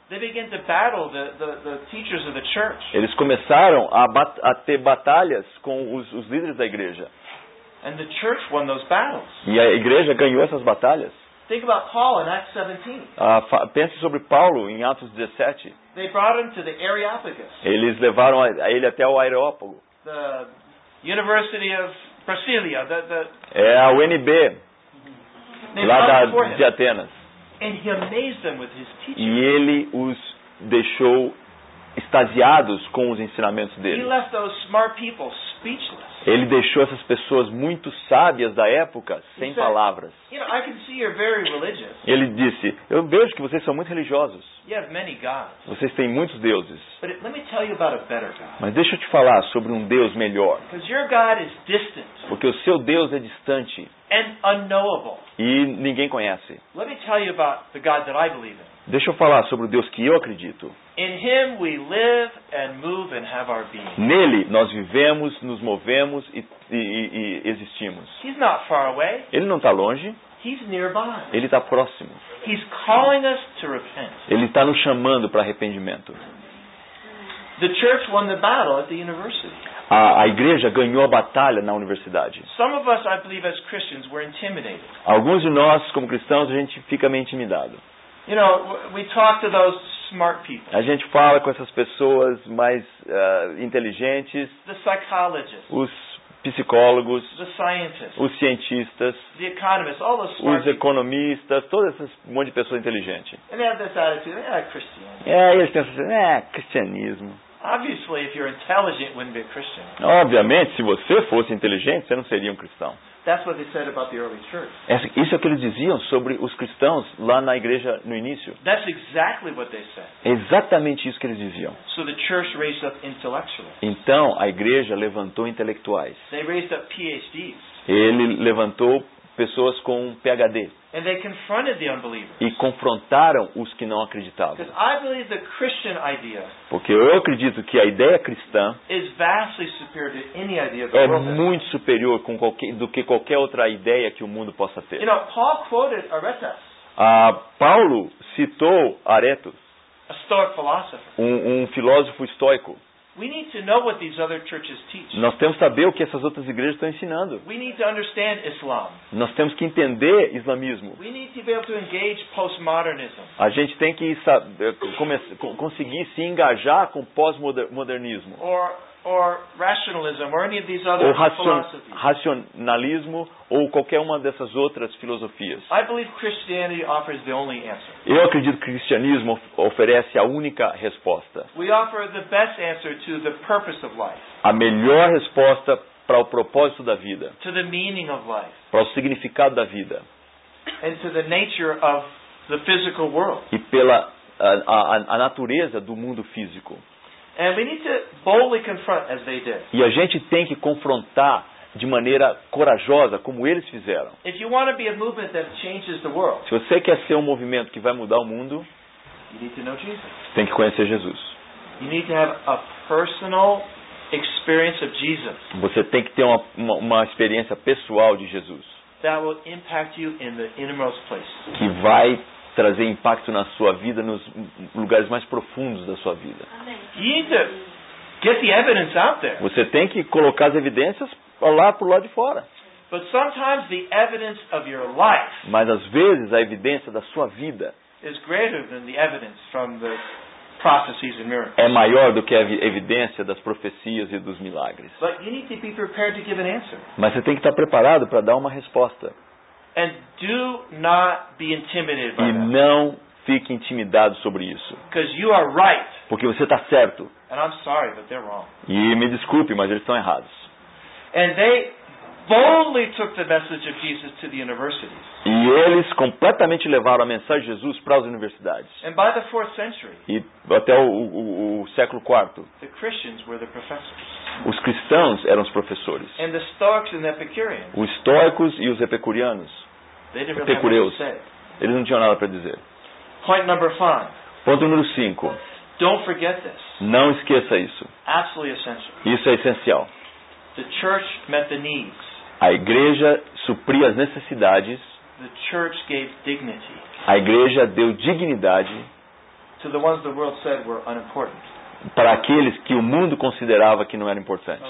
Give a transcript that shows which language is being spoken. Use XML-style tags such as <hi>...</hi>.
<en>They began to battle the teachers of the church.</en> <pt>Eles começaram a ter batalhas com os líderes da igreja.</pt> <en>And the church won those battles.</en> <pt>E a igreja ganhou essas batalhas.</pt> <en>Think about Paul in Acts 17.</en> <pt>Pense sobre Paulo em Atos 17.</pt> <en>They brought him to the Areopagus.</en> <pt>Eles levaram ele até o Areópago.</pt> <en>The University of Brasília.</en> <pt>É a UNB. Lá de Atenas.</pt> <en>And he amazed them with his teaching.</en> <pt>E ele os deixou extasiados com os ensinamentos dele.</pt> <en>He left those smart people speechless.</en> <pt>Ele deixou essas pessoas muito sábias da época sem</pt> <en>said,</en> <pt>palavras.</pt> <en>You know, I can see you're very religious.</en> <pt>Ele disse, eu vejo que vocês são muito religiosos.</pt> <en>You have many gods.</en> <pt>Vocês têm muitos deuses.</pt> <en>But let me tell you about a better God.</en> <pt>Mas deixa eu te falar sobre um Deus melhor.</pt> <en>Because your God is distant.</en> <pt>Porque o seu Deus é distante.</pt> <en>And unknowable.</en> <pt>E ninguém conhece.</pt> <en>Let me tell you about the God that I believe in.</en> <pt>Deixa eu falar sobre o Deus que eu acredito.</pt> <en>In him we live and move and have our being.</en> <pt>Nele nós vivemos, nos movemos e existimos.</pt> <en>He's not far away.</en> <pt>Ele não está longe.</pt> <en>He's nearby.</en> <pt>Ele está próximo.</pt> <en>He's calling us to repent.</en> <pt>Ele está nos chamando para arrependimento.</pt> <en>The church won the battle at the university.</en> <pt>A igreja ganhou a batalha na universidade.</pt> <en>Some of us, I believe, as Christians, we're intimidated.</en> <pt>Alguns de nós, como cristãos, a gente fica meio intimidado.</pt> <en>You know, we talk to those smart people.</en> <pt>A gente fala com essas pessoas mais inteligentes.</pt> <en>The psychologists.</en> <pt>Os psicólogos.</pt> <en>The scientists.</en> <pt>Os cientistas.</pt> <en>The economists, all those smart</en> <pt>os economistas, todo esse monte de pessoa inteligente.</pt> <en>And they have this attitude, Christianity.</en> <pt>Eles pensam assim, cristianismo.</pt> <en>Obviously, if you're intelligent, you wouldn't be a Christian.</en> <pt>Obviamente, se você fosse inteligente, você não seria um cristão.</pt> <en>That's what they said about the early church.</en> <pt>Isso é o que eles diziam sobre os cristãos lá na igreja no início.</pt> <en>That's exactly what they said.</en> <pt>Exatamente isso que eles diziam.</pt> <en>So the church raised up intellectuals.</en> <pt>Então, a igreja levantou intelectuais.</pt> <en>They raised up PhDs.</en> <pt>Ele levantou pessoas com um PhD.</pt> <en>And they confronted the unbelievers.</en> <pt>E confrontaram os que não acreditavam.</pt> <en>Because I believe the Christian idea.</en> <pt>Porque eu acredito que a ideia cristã</pt> <en>is vastly superior to any idea of the world.</en> <pt>É muito superior do que qualquer outra ideia que o mundo possa ter.</pt> <en>You know, Paul quoted Aretas.</en> <pt>Paulo citou Aretas.</pt> <en>A Stoic philosopher.</en> <pt>Um filósofo estoico.</pt> <en>We need to know what these other churches teach.</en> <pt>Nós temos que saber o que essas outras igrejas estão ensinando.</pt> <en>We need to understand Islam.</en> <pt>Nós temos que entender islamismo.</pt> <en>We need to be able to engage postmodernism.</en> <pt>A gente tem que conseguir se engajar com pós-modernismo.</pt> <en>Or rationalism, or any of these other philosophies.</en> <pt>Racionalismo ou qualquer uma dessas outras filosofias.</pt> <en>I believe Christianity offers the only answer.</en> <pt>Eu acredito que o cristianismo oferece a única resposta.</pt> <en>We offer the best answer to the purpose of life.</en> <pt>A melhor resposta para o propósito da vida.</pt> <en>To the meaning of life.</en> <pt>Para o significado da vida.</pt> <en>And to the nature of the physical world.</en> <pt>E pela a natureza do mundo físico.</pt> <en>And we need to boldly confront as they did.</en> <pt>E a gente tem que confrontar de maneira corajosa como eles fizeram.</pt> <en>If you want to be a movement that changes the world.</en> <pt>Se você quer ser um movimento que vai mudar o mundo,</pt> <en>you need to know Jesus.</en> <pt>Tem que conhecer Jesus.</pt> <en>You need to have a personal experience of Jesus.</en> <pt>Você tem que ter uma experiência pessoal de Jesus.</pt> <en>That will impact you in the innermost place.</en> <pt>Que vai trazer impacto na sua vida, nos lugares mais profundos da sua vida.</pt> <en>Amém. Get the evidence out there.</en> <pt>Você tem que colocar as evidências lá pro lado de fora.</pt> <en>But sometimes the evidence of your life.</en> <pt>Mas às vezes a evidência da sua vida</pt> <en>is greater than the evidence from the prophecies and miracles.</en> <pt>É maior do que a evidência das profecias e dos milagres.</pt> <en>But you need to be prepared to give an answer.</en> <pt>Mas você tem que estar preparado para dar uma resposta.</pt> <en>And do not be intimidated by that.</en> <pt>E não fique intimidado sobre isso.</pt> <en>Because you are right.</en> <pt>Porque você está certo.</pt> <en>And I'm sorry, but they're wrong.</en> <pt>E me desculpe, mas eles estão errados.</pt> <en>And they boldly took the message of Jesus to the universities.</en> <pt>E eles completamente levaram a mensagem de Jesus para as universidades.</pt> <en>And by the 4th century,</en> <pt>e até o século IV,</pt> <en>the Christians were the professors.</en> <pt>Os cristãos eram os professores.</pt> <en>And the Stoics and the Epicureans.</en> <pt>Os estoicos e os epicureanos.</pt> <en>They didn't epicureus. Have anything to say.</en> <pt>Eles não tinham nada para dizer.</pt> <en>Point number 5.</en> <pt>Ponto número 5.</pt> <en>Don't forget this.</en> <pt>Não esqueça isso.</pt> <en>Absolutely essential.</en> <pt>Isso é essencial.</pt> <en>The church met the needs.</en> <pt>A igreja supria as necessidades.</pt> <en>The church gave dignity.</en> <pt>A igreja deu dignidade.</pt> <en>To the ones the world said were unimportant.</en> <pt>Para aqueles que o mundo considerava que não era importante.</pt>